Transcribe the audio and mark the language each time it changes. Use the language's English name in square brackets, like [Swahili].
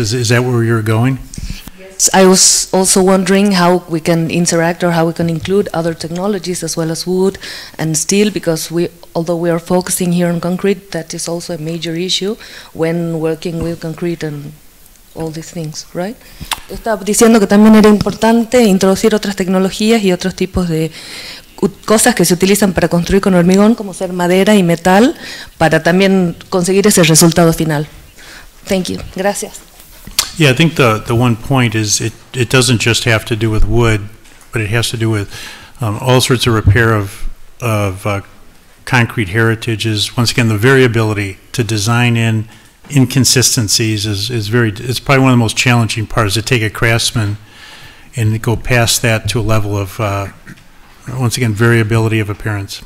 [English] Is that where you're going? Yes. I was also wondering how we can interact or how we can include other technologies as well as wood and steel, because although we are focusing here on concrete, that is also a major issue when working with concrete and all these things, right? [Spanish] Estaba diciendo que también era importante introducir otras tecnologías y otros tipos de cosas que se utilizan para construir con hormigón, como ser madera y metal, para también conseguir ese resultado final. [English] Thank you. Gracias. Yeah, I think the one point is it doesn't just have to do with wood, but it has to do with all sorts of repair of concrete heritages. Once again, the variability to design in inconsistencies is probably one of the most challenging parts, to take a craftsman and go past that to a level of once again, variability of appearance.